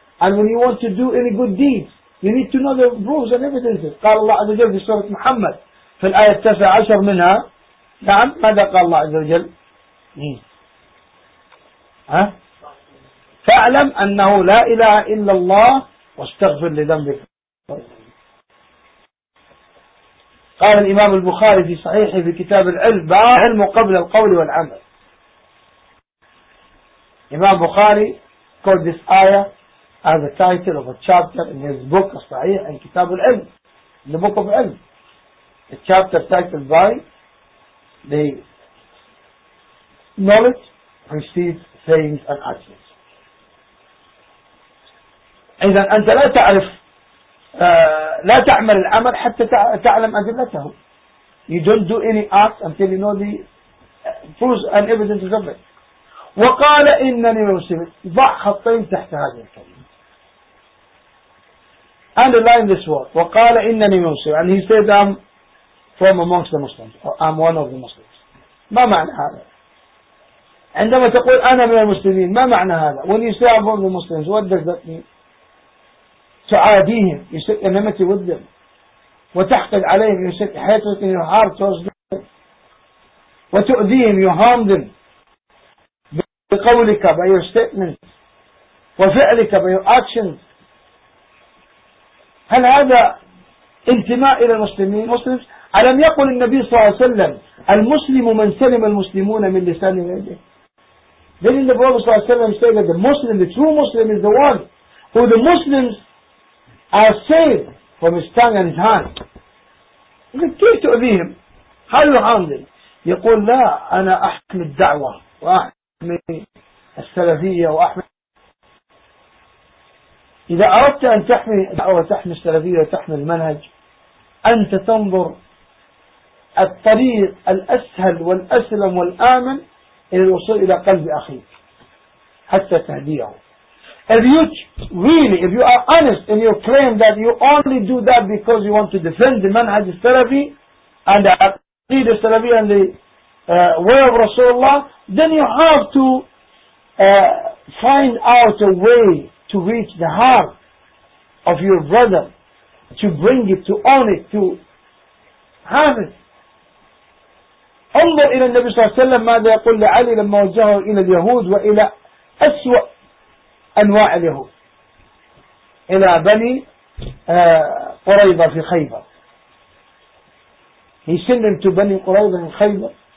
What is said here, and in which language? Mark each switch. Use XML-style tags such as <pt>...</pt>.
<en>And when you want to do any good deeds, you need to know the rules and evidences.</en> <ar>قال الله عز وجل في سورة محمد في الآية 19 منها, نعم, ماذا قال الله عز وجل؟ فاعلم أنه لا إله إلا الله واستغفر لذنبك. قال الإمام البخاري في صحيحه في كتاب العلم, علم قبل القول والعمل.</ar> <en>إمام بخاري called this ayah as the title of a chapter in his book الصحيح and كتاب العلم, the book of علم. The chapter titled by the knowledge precedes sayings and actions.</en> <ar>إذا أنت لا تعرف لا تعمل الأمر حتى تعلم أدلته.</ar> <en>You don't do any act until you know the proofs and evidences of it.</en> <ar>وقال إنني مسلم. ضع خطين تحت هذه الكلمة.</ar> <en>Underline this word.</en> <ar>وقال إنني مسلم.</ar> <en>And he said I'm from amongst the Muslims. Or I'm one of the Muslims.</en> <ar>ما معنى هذا؟ عندما تقول أنا من المسلمين ما معنى هذا؟</ar> <en>When you say I'm from the Muslims, what does that mean?</en> <ar>تعاديهم,</ar> <en>you set enmity with them,</en> <ar>وتحقد عليهم,</ar> <en>you set hatred in your heart towards them,</en> <ar>وتؤذيهم,</ar> <en>you harm them</en> <ar>بقولك,</ar> <en>by your statements,</en> <ar>وفعلك,</ar> <en>by your actions.</en> <ar>هل هذا انتماء إلى المسلمين؟ مسلمين. ألم يقل النبي صلى الله عليه وسلم المسلم من سلم المسلمون من لسان يده؟</ar> <en>Then the Prophet صلى الله عليه وسلم said that the Muslim, the true Muslim, is the one who the Muslims are saved from his tongue and his hand. He said,</en> <ar>كيف تؤذيهم؟</ar> <en>How do you handle?</en> <ar>يقول لا أنا أحمي الدعوة وأحمي السلفية وأحمي إذا أردت أن تحمي الدعوة وتحمي السلفية وتحمي المنهج أنت تنظر الطريق الأسهل والأسلم والآمن إلى الوصول إلى قلب أخيك حتى تهديه.</ar> <en>If you really, if you are honest and you claim that you only do that because you want to defend the manhaj al-Salafi and the Salafi and the way of Rasulullah, then you have to find out a way to reach the heart of your brother, to bring it, to own it, to have it.</en> <ar>انظر إلى النبي صلى الله عليه وسلم ماذا يقول لعلي لما وجهه إلى اليهود وإلى أسوأ أنواع اليهود إلى بني قريظة في خيبر.</ar> <en>He sent them to بني قريظة in خيبر.</en>